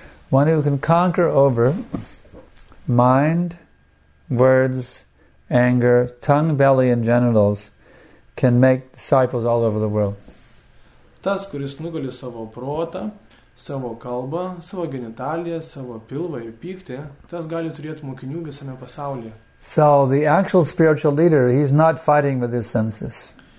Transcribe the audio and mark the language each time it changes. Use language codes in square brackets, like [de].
[en] One who can conquer over mind, words, anger, tongue, belly, and genitals can make disciples all over the world. [lt] Tas, kuris nugali savo protą, savo kalbą, savo genitaliją, savo pilvą ir pyktį, tas gali turėti mokinių visame pasaulyje. [en] So the actual spiritual leader, he's not fighting with his senses.